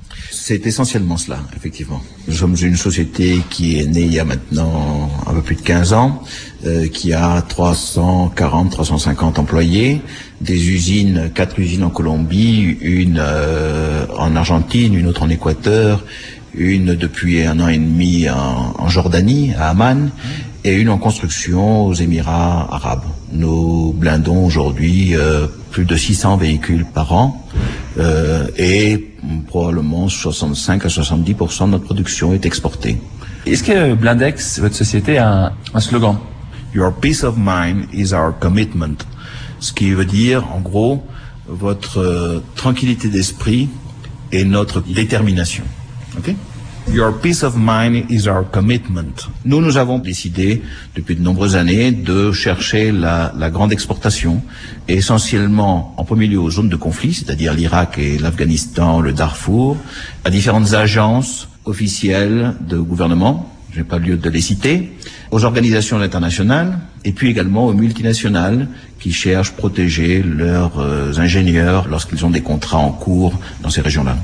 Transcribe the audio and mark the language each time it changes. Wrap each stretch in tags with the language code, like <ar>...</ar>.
<fr>C'est essentiellement cela, effectivement. Nous sommes une société qui est née il y a maintenant un peu plus de 15 ans, qui a 340, 350 employés, des usines, 4 usines en Colombie, une en Argentine, une autre en Équateur, une depuis un an et demi en Jordanie, à Amman, et une en construction aux Émirats arabes. Nous blindons aujourd'hui plus de 600 véhicules par an, et probablement 65 à 70% de notre production est exportée. Est-ce que Blindex, votre société, a un slogan ?</fr> <en>Your peace of mind is our commitment.</en> <fr>Ce qui veut dire, en gros, votre tranquillité d'esprit est notre détermination. Ok ?</fr> <en>Your peace of mind is our commitment.</en> <fr>Nous avons décidé depuis de nombreuses années de chercher la grande exportation, essentiellement en premier lieu aux zones de conflit, c'est-à-dire l'Irak et l'Afghanistan, le Darfour, à différentes agences officielles de gouvernement, j'ai pas lieu de les citer, aux organisations internationales et puis également aux multinationales qui cherchent à protéger leurs ingénieurs lorsqu'ils ont des contrats en cours dans ces régions-là.</fr>